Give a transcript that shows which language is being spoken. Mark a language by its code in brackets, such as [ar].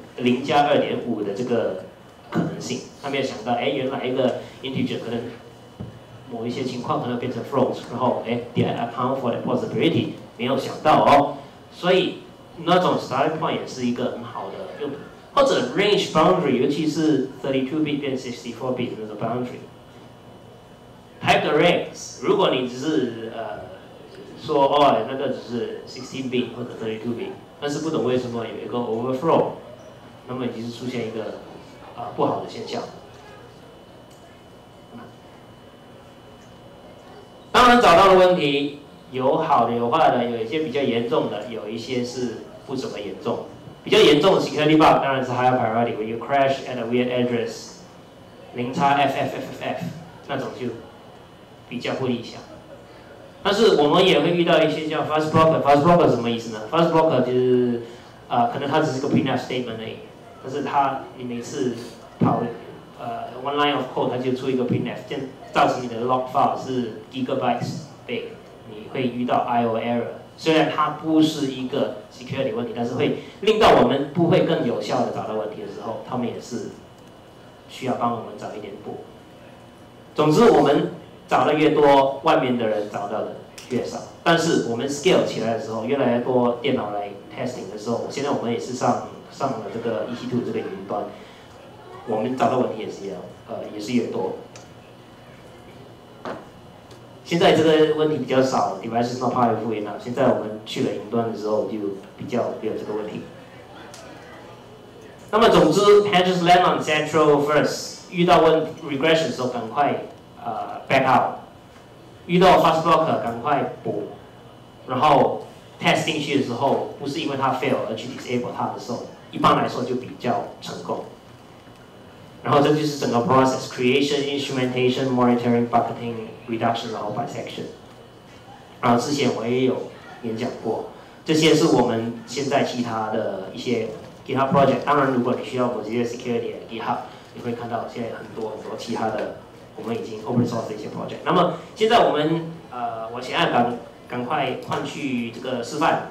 [zh] 零加二点五的这个可能性，他没有想到，哎，原来一个 integer 可能某一些情况可能变成 float， 然后哎 ， [en] did account for the possibility， [zh] 没有想到哦，所以那种 starting point 也是一个很好的用途，或者 range boundary， 尤其是32-bit 变64-bit 的那种 boundary， type arrays， 如果你只是说哦，那个只是 16-bit 或者 32-bit， 但是不懂为什么有一个 overflow。那么已经是出现一个、不好的现象。当然找到的问题有好的有坏的，有一些比较严重的，有一些是不怎么严重。比较严重的 security bug 当然是 higher priority， [en] when you crash at a weird address [zh] 0xFFFF 那种就比较不理想。但是我们也会遇到一些叫 fast blocker。fast blocker 是什么意思呢？ fast blocker 就是、可能它只是个 print statement 而已，但是它你每次跑one line of code， 它就出一个 printf， 造成你的 log file 是 gigabytes big， 你会遇到 IO error。虽然它不是一个 security 问题，但是会令到我们不会更有效的找到问题的时候，他们也是需要帮我们找一点补。总之我们找的越多，外面的人找到的越少，但是我们 scale 起来的时候，越来越多电脑来 testing 的时候，现在我们也是上了这个 EC2 这个云端，我们找到问题也是越多。现在这个问题比较少 ， [en] device is not part of it now。 [zh] 现在我们去了云端的时候，就比较没有这个问题。那么总之 ， [en] patches land on central first。 [zh] 遇到问 regression 的时候，赶快back out。遇到 fast blocker， 赶快补。然后 test 进去的时候，不是因为它 fail 而去 disable 它的时候，一般来说就比较成功。然后这就是整个 [en] process creation instrumentation monitoring bucketing reduction [zh] 然后 [en] bisection。 [zh] 然后之前我也有演讲过，这些是我们现在其他的一些 GitHub project。当然如果你需要 Mozilla Security GitHub， 你会看到现在很多其他的我们已经 open source 的一些 project。那么现在我们我现在赶快换去这个示范。